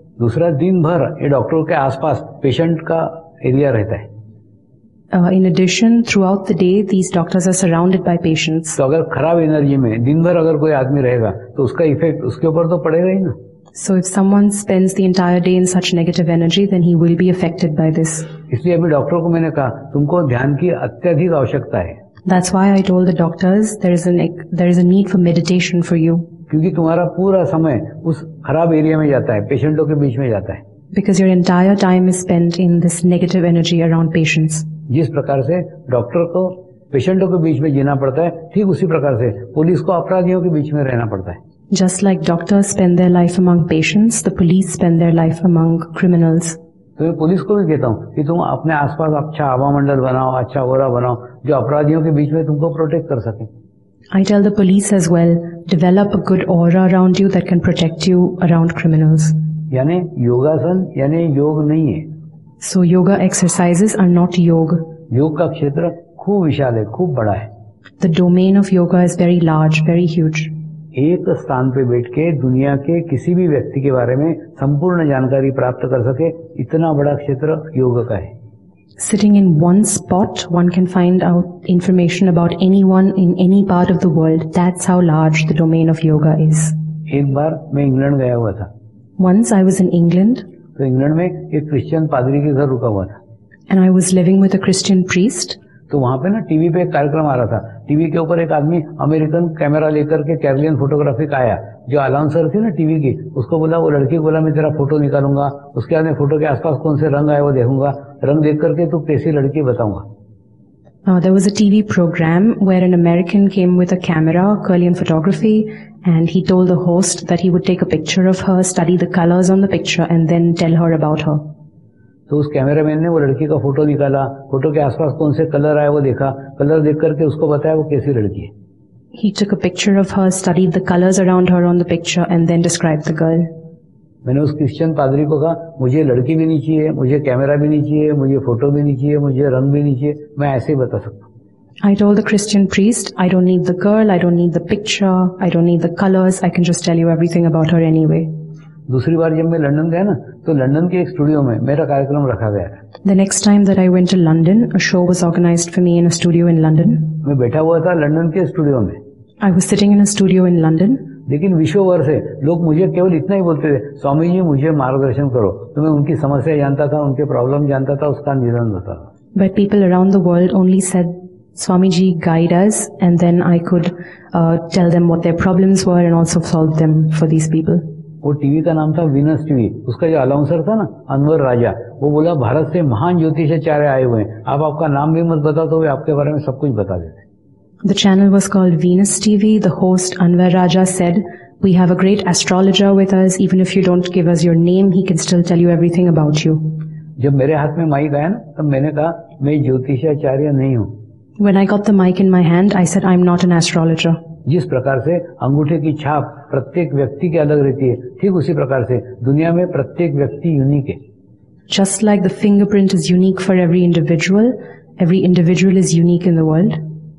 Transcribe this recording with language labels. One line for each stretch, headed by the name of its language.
Hindi: दूसरा, दिन भर ये डॉक्टरों के आसपास पेशेंट का एरिया रहता है.
English: In addition, throughout the day, these doctors are surrounded by patients.
Hindi: तो अगर खराब एनर्जी में दिन भर अगर कोई आदमी रहेगा तो उसका इफेक्ट उसके ऊपर तो पड़ेगा ही ना.
English: So if someone spends the entire day in such negative energy, then he will be affected by this.
Hindi: इसलिए अभी डॉक्टर को मैंने कहा तुमको ध्यान की अत्यधिक आवश्यकता है.
English: That's why I told the doctors there is a need for meditation for you.
Hindi: क्योंकि तुम्हारा पूरा समय उस खराब एरिया में जाता है, पेशेंटों के बीच में जाता है.
English: Because your entire time is spent in this negative energy around patients.
Hindi: जिस प्रकार से डॉक्टर को पेशेंटों के बीच में जीना पड़ता है, ठीक उसी प्रकार से पुलिस को अपराधियों के बीच में रहना पड़ता है.
English: Just like doctors spend their life among patients, the police spend their life among criminals.
Hindi: तो मैं पुलिस को भी कहता हूँ कि तुम अपने आसपास अच्छा हवामंडल बनाओ, अच्छा ओरा बनाओ, जो अपराधियों के बीच में तुमको प्रोटेक्ट कर सके.
English: I tell the police as well, develop a good aura around you that can protect you around criminals.
Hindi: यानी योगासन यानी योग नहीं है.
English: So yoga exercises are not yoga.
Hindi: योग का क्षेत्र खूब विशाल है, खूब बड़ा है.
English: The domain of yoga is very large, very huge.
Hindi: एक स्थान पे बैठ के दुनिया के किसी भी व्यक्ति के बारे में संपूर्ण जानकारी प्राप्त कर सके, इतना बड़ा क्षेत्र योग का है.
English: Sitting in one spot, one can find out information about anyone in any part of the world. That's how large the domain of yoga is.
Hindi: एक बार मैं इंग्लैंड गया हुआ था.
English: Once I was in England.
Hindi: तो England में एक Christian पादरी के घर रुका हुआ था.
English: And I was living with a Christian priest.
Hindi: तो वहां पे ना टीवी पे एक कार्यक्रम आ रहा था. टीवी के ऊपर एक आदमी अमेरिकन कैमरा लेकर के कैरेलियन फोटोग्राफी का आया. जो अनाउंसर थी ना टीवी की, उसको बोला, वो लड़की को बोला, मैं तेरा फोटो निकालूंगा, उसके बाद में फोटो के आसपास कौन से रंग आए वो देखूंगा, रंग देख करके तू कैसी लड़की बताऊंगा.
English: There was a TV program where an American came with a camera, Kirlian photography, and he told the host that he would take a picture of her, study the colors on the picture, and then tell her about her.
Hindi: तो उस cameraman ने वो लड़की का photo निकाला, photo के आसपास कौन से कलर आए वो देखा, कलर देख करके उसको बताया वो कैसी लड़की है.
English: He took a picture of her, studied the colors around her on the picture, and then described the girl.
Hindi: मैंने उस क्रिश्चियन पादरी को कहा, मुझे लड़की भी नहीं चाहिए, मुझे कैमरा भी नहीं चाहिए, मुझे फोटो भी नहीं चाहिए, मुझे रंग भी नहीं चाहिए, मैं ऐसे ही बता सकता हूँ.
English: I told the Christian priest, I don't need the girl, I don't need the picture, I don't need the colors, I can just tell you everything about her anyway.
Hindi: दूसरी बार जब मैं लंदन गया ना, तो लंदन के एक studio में मेरा कार्यक्रम रखा गया.
English: The next time that I went to London, a show was organized for me in a studio in London.
Hindi: मैं बैठा हुआ था लंदन के स्टूडियो में.
English: I was sitting in a studio in London.
Hindi: लेकिन विश्वभर से लोग मुझे केवल इतना ही बोलते थे, स्वामी जी मुझे मार्गदर्शन करो. तो मैं उनकी समस्या जानता था, उनके प्रॉब्लम जानता था, उसका निदान होता.
English: But people around the world only said, Swami ji, guide us, and then I could tell them what their problems were and also solve them for these people.
Hindi: वो टीवी का नाम था विनस टीवी. उसका जो announcer था ना, अनवर राजा, वो बोला, भारत से महान ज्योतिषाचार्य आए हुए हैं, आप आपका नाम भी मत बताओ तो वे आपके बारे में सब कुछ बता देते.
English: The channel was called Venus TV. The host Anwar Raja said, "We have a great astrologer with us. Even if you don't give us your name, he can still tell you everything about you."
Hindi: जब मेरे हाथ में mic आया ना, तब मैंने कहा, मैं ज्योतिषाचार्य नहीं हूँ.
English: When I got the mic in my hand, I said, "I'm not an astrologer."
Hindi: जिस प्रकार से अंगूठे की छाप प्रत्येक व्यक्ति के अलग रहती है, ठीक उसी प्रकार से दुनिया में प्रत्येक व्यक्ति यूनिक है.
English: Just like the fingerprint is unique for every individual is unique in the world.